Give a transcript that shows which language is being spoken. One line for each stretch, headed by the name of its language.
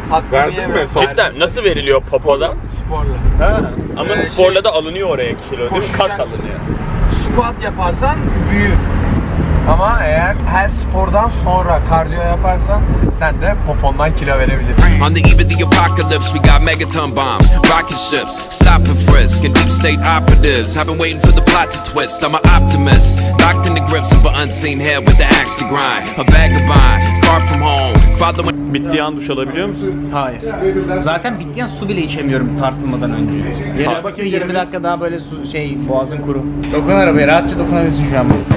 Turkish: Hakkını verdin yemedim. Mi? Cidden, nasıl veriliyor popodan? Sporla. Ha. Ama sporla da alınıyor oraya kilo değil mi? Kas alınıyor. Squat yaparsan büyür. Ama eğer her spordan sonra kardiyo yaparsan sen de popondan kilo verebilirsin.
English: On the eve the apocalypse we got megaton bombs, rocket ships, stop and frisk and deep state operatives. I've been waiting for the plot to twist. I'm an optimist, locked in the grips of an unseen hand with the axe to grind. A vagabond far from home. Father...
Turkish: Bittiği an duş alabiliyor musun? Hayır. Zaten bittiği an su bile içemiyorum tartılmadan önce. Yarış bakıyor 20 dakika daha böyle su, şey, boğazın kuru. Dokun arabaya, rahatça dokunabilirsin şu an.